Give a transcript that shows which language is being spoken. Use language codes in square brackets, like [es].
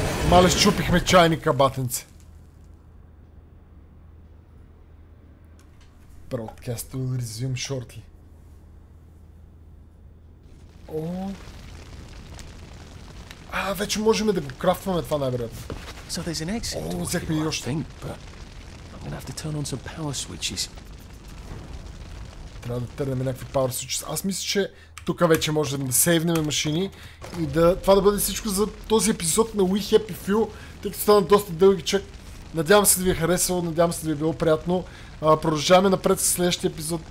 [bg] Мале, щупихме чайника, батенце. [en] Broadcast will resume shortly. [bg] А, вече можем да го крафтваме това най-вероятно. [en] So there's an exit. [bg] О, взехме и още. [en] I'm gonna have to turn on some power switches. [bg] Трябва да търнем някакви [en] power switches. [bg] Аз мисля, че тук вече може да сейвнем машини и да, това да бъде всичко за този епизод на We Happy Few, тъй като стана доста дълги чак. Надявам се да ви е харесало, надявам се да ви е било приятно. Продължаваме напред с следващия епизод.